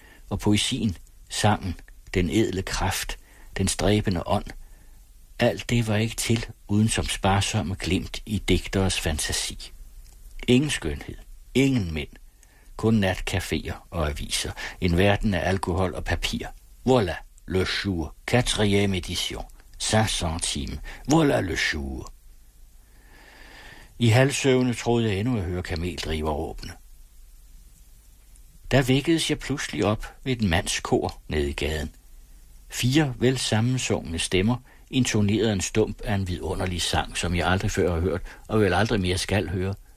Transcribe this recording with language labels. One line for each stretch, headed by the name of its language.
Danish: Og poesien, sangen, den edle kraft, den stræbende ånd, alt det var ikke til uden som sparsomme glimt i digteres fantasi. Ingen skønhed, ingen mænd. Kun natcaféer og aviser. En verden af alkohol og papir.
French: Voilà le jour, 4e édition, 5 centimes. Voilà le jour.
Danish: I halvsøvne troede jeg endnu at høre kameldriver åbne. Der vækkedes jeg pludselig op ved et mandskor nede i gaden. 4 velsammensungne stemmer intonerede en stump af en vidunderlig sang, som jeg aldrig før har hørt og vel aldrig mere skal høre.